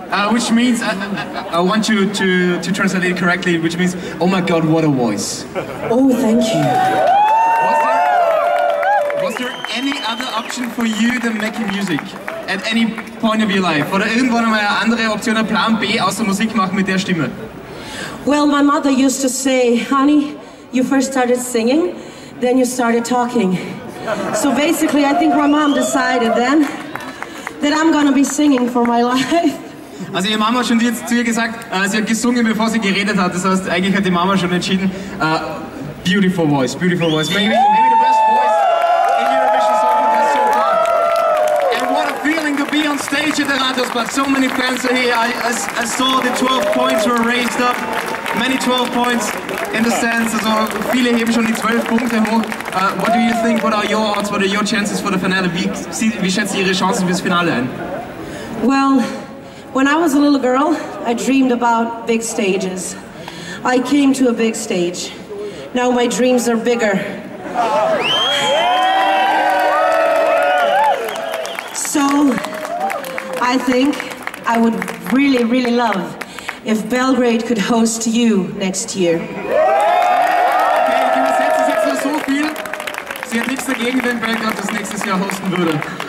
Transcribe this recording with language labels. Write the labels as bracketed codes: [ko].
[en] Which means, I want you to translate it correctly, which means, oh my God, what a voice. Oh, thank you. Was there any other option for you than making music at any point of your life? [de] Oder irgendwann mal eine andere Option, ein Plan B, außer Musik machen mit der Stimme? [en] Well, my mother used to say, honey, you first started singing, then you started talking. So basically, I think my mom decided then that I'm gonna be singing for my life. [de] Also ihr Mama hat schon jetzt zu ihr gesagt, sie hat gesungen, bevor sie geredet hat. Das heißt, eigentlich hat die Mama schon entschieden, [en] beautiful voice, beautiful voice. Maybe the best voice in Eurovision Song Contest so far. And what a feeling to be on stage at the Rathausplatz. So many fans are here. I saw the 12 points were raised up. Many 12 points in the stands. [de] Also viele heben schon die 12 Punkte hoch. [en] What do you think? What are your odds? What are your chances for the finale? [de] Wie schätzt ihr ihre Chancen fürs Finale ein? [en] Well, when I was a little girl, I dreamed about big stages. I came to a big stage. Now my dreams are bigger. So I think I would really, really love if Belgrade could host you next year. [de] Okay, ich übersetze es jetzt nur so viel. Sie hat nichts dagegen, wenn Belgrade das nächstes Jahr hosten würde.